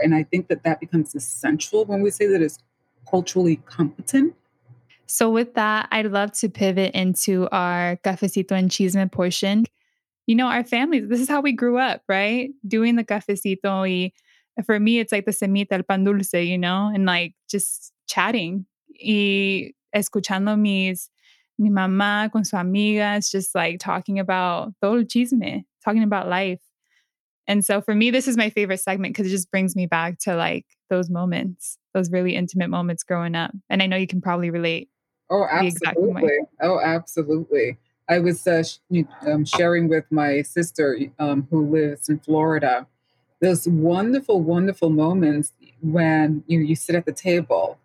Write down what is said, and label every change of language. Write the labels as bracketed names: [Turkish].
[English] And I think that that becomes essential when we say that it's culturally competent. So with that, I'd love to pivot into our cafecito and chisme portion. You know, our families, this is how we grew up, right? Doing the cafecito. For me, it's like the semita, [Spanish] el pan dulce, [English] you know, and like just chatting. [Spanish] Y escuchando mi mamá con su amiga. [English] It's just like talking about [Spanish] todo el chisme, [English] talking about life. And so for me, this is my favorite segment because it just brings me back to like those moments, those really intimate moments growing up. And I know you can probably relate. Oh, absolutely. I was sharing with my sister who lives in Florida, those wonderful, wonderful moments when you sit at the table.